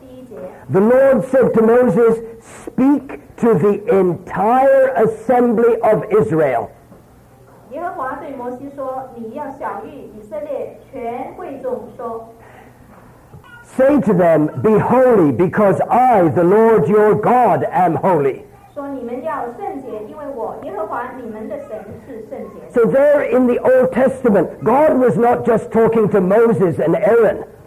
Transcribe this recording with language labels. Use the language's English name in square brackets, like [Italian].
[English] The Lord said to Moses, speak to the entire assembly of Israel. [Chinese] 耶和华对摩西说，你要晓谕以色列全会众说。 [English] Say to them, be holy, because I, the Lord your God, am holy. [Chinese] 说你们要圣洁，因为我耶和华你们的神是圣洁。 [English] So there in the Old Testament, God was not just talking to Moses and Aaron.